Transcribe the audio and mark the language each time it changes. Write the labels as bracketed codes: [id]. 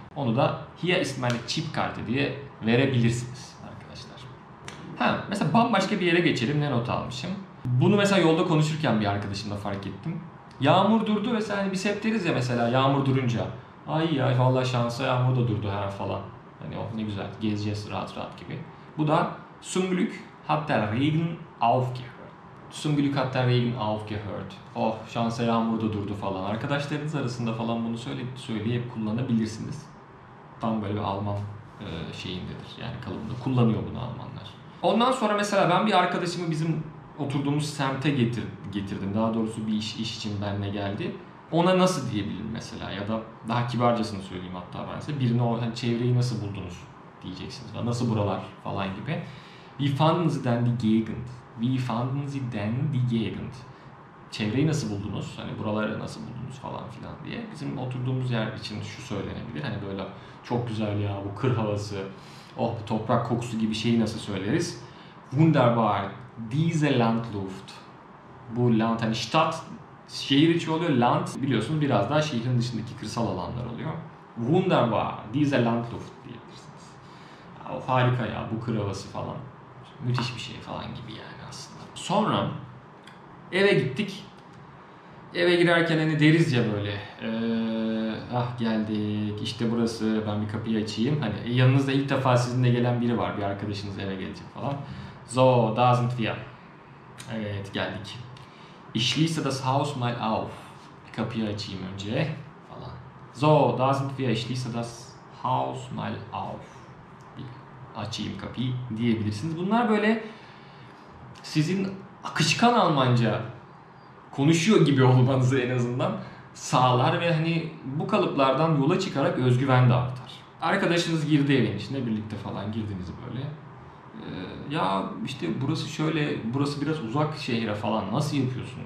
[tr] Onu da [de] hier ist meine Chipkarte [tr] diye verebilirsiniz arkadaşlar. Ha, mesela bambaşka bir yere geçelim. Ne not almışım? Bunu mesela yolda konuşurken bir arkadaşımla fark ettim. Yağmur durdu ve hani biz hep deriz ya mesela yağmur durunca. Ay ya vallahi şansa yağmur da durdu her falan. Hani oh ne güzel gezeceğiz rahat rahat gibi. Bu da [de] zum Glück hat der Regen aufgehört. Zum Glück hat der Regen aufgehört. [tr] Oh şansa yağmur da durdu falan. Arkadaşlarınız arasında falan bunu söyleyip kullanabilirsiniz. Tam böyle bir Alman şeyindedir yani kalıbında. Kullanıyor bunu Almanlar. Ondan sonra mesela ben bir arkadaşımı bizim oturduğumuz semte getirdim. Daha doğrusu bir iş için benimle geldi. Ona nasıl diyebilirim mesela? Ya da daha kibarcasını söyleyeyim hatta ben size. Birine o hani çevreyi nasıl buldunuz diyeceksiniz. Nasıl buralar falan gibi. [de] Wie fanden Sie denn die Gegend? Wie fanden Sie denn die Gegend? [tr] Çevreyi nasıl buldunuz? Hani buraları nasıl buldunuz falan filan diye. Bizim oturduğumuz yer için şu söylenebilir. Hani böyle çok güzel ya bu kır havası. Oh bu toprak kokusu gibi şeyi nasıl söyleriz? [de] Wunderbar. Diese Landluft. [tr] Bu Land hani Stadt şehir içi oluyor. Land biliyorsunuz biraz daha şehrin dışındaki kırsal alanlar oluyor. [de] Wunderbar. Diese Landluft [tr] diyebilirsiniz. Ya, o harika ya bu kır havası falan. Müthiş bir şey falan gibi yani aslında. Sonra eve gittik. Eve girerken hani deriz ya böyle, ah geldik, işte burası, ben bir kapıyı açayım. Hani yanınızda ilk defa sizinle gelen biri var, bir arkadaşınız eve gelecek falan. [de] So, da sind wir. [tr] Evet, geldik. [de] Ich schließe das Haus mal auf. [tr] Bir kapıyı açayım önce falan. [de] So, da sind wir. Ich schließe das Haus mal auf. [tr] Bir açayım kapıyı diyebilirsiniz. Bunlar böyle sizin akışkan Almanca konuşuyor gibi olmanızı en azından sağlar ve hani bu kalıplardan yola çıkarak özgüven de artar. Arkadaşınız girdi evin içine, birlikte falan girdiniz böyle. Ya işte burası şöyle, burası biraz uzak şehre falan, nasıl yapıyorsun?